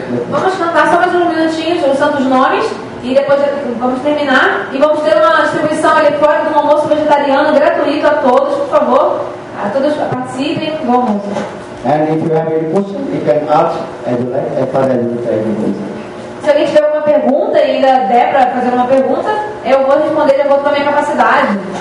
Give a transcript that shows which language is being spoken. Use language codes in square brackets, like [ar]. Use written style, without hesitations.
[pt] Vamos cantar só mais um minutinho sobre os santos nomes. E depois vamos terminar. E vamos ter uma distribuição ali fora de um almoço vegetariano gratuito a todos, por favor. A todos participem. Bom almoço. [en] And if you have any question, you can ask as you like, as far as you like. [pt] Se alguém tiver alguma pergunta e ainda der para fazer uma pergunta, eu vou responder de acordo com a minha capacidade.